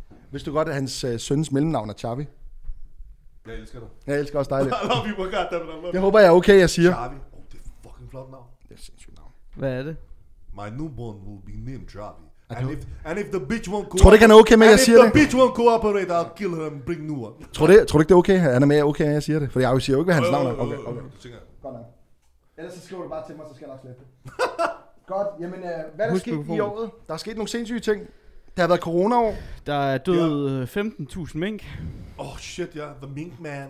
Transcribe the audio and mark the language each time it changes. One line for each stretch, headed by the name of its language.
Danish: Vidste du godt, at hans søns mellemnavn er Chavi? Jeg elsker dig. Jeg elsker også dig lidt.
English: I love you, my God.
Danish: Jeg håber, jeg er okay, jeg siger. Chavi. Oh, det er fucking flot navn. Det er sindssygt navn. Hvad er det?
English: My newborn will be named Chavi. And if the bitch won't cooperate...
Danish: Tror du ikke, han er okay med, at jeg siger det?
English: And if the bitch won't cooperate, I'll kill her and bring new one.
Danish: Tror du ikke, det er okay? Han er mere okay, at jeg siger det? Fordi jeg siger jo ikke, hvad hans navn er. Okay, okay. Ellers så skriver du bare til mig, så skal jeg nok slette det. Godt, jamen hvad er der sket i året? Der er sket nogle sindssyge ting. Der har været corona-år. Der er død 15.000 mink.
English: Oh shit, ja. The mink man.